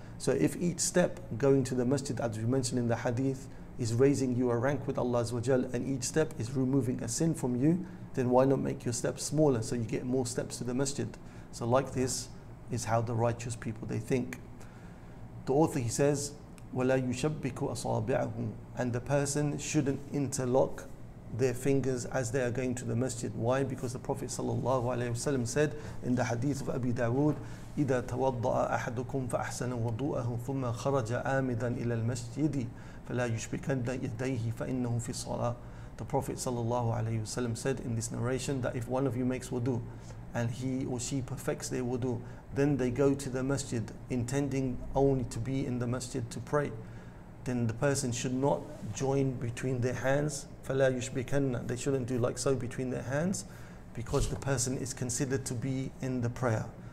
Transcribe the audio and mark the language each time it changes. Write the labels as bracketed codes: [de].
[en] So if each step going to the masjid, as we mentioned in the hadith, is raising you a rank with Allah azza wa jal, and each step is removing a sin from you, then why not make your steps smaller so you get more steps to the masjid? So like this is how the righteous people, they think. The author, he says, [ar] وَلَا يُشَبِّكُ أَصَابِعَهُمْ, [en] and the person shouldn't interlock their fingers as they are going to the masjid. Why? Because the Prophet sallallahu alaihi wasallam said in the hadith of Abi Dawood, [ar] إِذَا تَوَضَّأَ أَحَدُكُمْ فَأَحْسَنَ وَضُوءَهُ ثُمَّ خَرَجَ آمِدًا إِلَى الْمَسْجِدِ فَلَا يُشْبِكَنَّ يَدَيْهِ فَإِنَّهُ فِي الصَّلَاةِ. [en] The Prophet sallallahu alaihi wasallam said in this narration that if one of you makes wudu and he or she perfects their wudu, then they go to the masjid intending only to be in the masjid to pray, then the person should not join between their hands. [ar] فَلَا يُشْبِكَنَّ, [en] they shouldn't do like so between their hands, because the person is considered to be in the prayer.